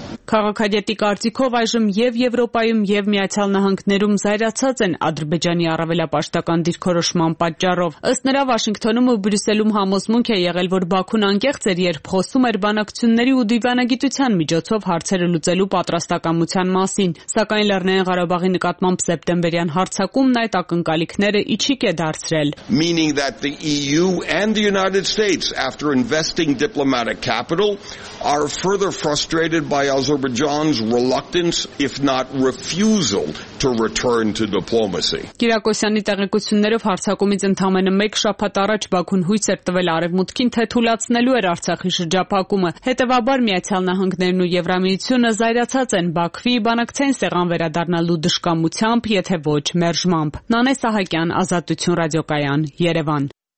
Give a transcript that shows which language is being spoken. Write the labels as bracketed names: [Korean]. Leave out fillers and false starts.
[Armenian] Քաղաքագետի կարծիքով այժմ և Եվրոպայում և Միացյալ Նահանգներում զայրացած են Ադրբեջանի առավելապաշտական դիրքորոշման պատճառով։ Ըստ նրա, Վաշինգթոնում ու Բրյուսելում համոզմունք է եղել, որ Բաքուն անկեղծ էր, երբ խոսում էր բանակցությունների ու դիվանագիտության միջոցով հարցերը լուծելու պատրաստակամության մասին, սակայն Լեռնային Ղարաբաղի նկատմամբ սեպտեմբերյան հարցակում նա այդ ակնկալիքները իջիկ է դարձրել։ [English] Meaning that the EU and the United States, after investing diplomatic capital, are further frustrated by Azerbaijan's reluctance, if not refusal, to return to diplomacy. [Armenian] Կիրակոսյանի տեղեկություններով հարցակումից ընդամենը մեկ շաբաթ առաջ Բաքուն հույս էր տվել Արևմուտքին, թե թուլացնելու էր Արցախի շրջապակումը։ Հետևաբար Միացյալ Նահանգներն ու Եվրամիությունը զայրացած են Բաքվի բանակցային սեղան վերադառնալու դժկամությամբ, եթե ոչ մերժմամբ։ Նանե Սահակյան, Ազատություն ռադիոկայան, Երևան։